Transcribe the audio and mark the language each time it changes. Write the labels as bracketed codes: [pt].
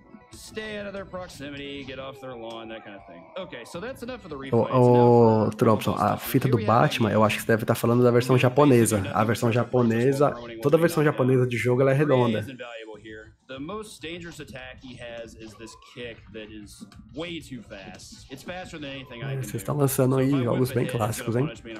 [en] Stay out of their proximity, get off their lawn, that kind of thing. Okay, so that's enough for the replay. [pt] Tropson, a fita do Batman, eu acho que você deve estar falando da versão japonesa. A versão japonesa, toda a versão japonesa de jogo ela é redonda. [en] The most dangerous attack he has is this kick that is way too fast. It's faster than anything I can. [pt] Vocês estão lançando aí jogos bem clássicos, hein?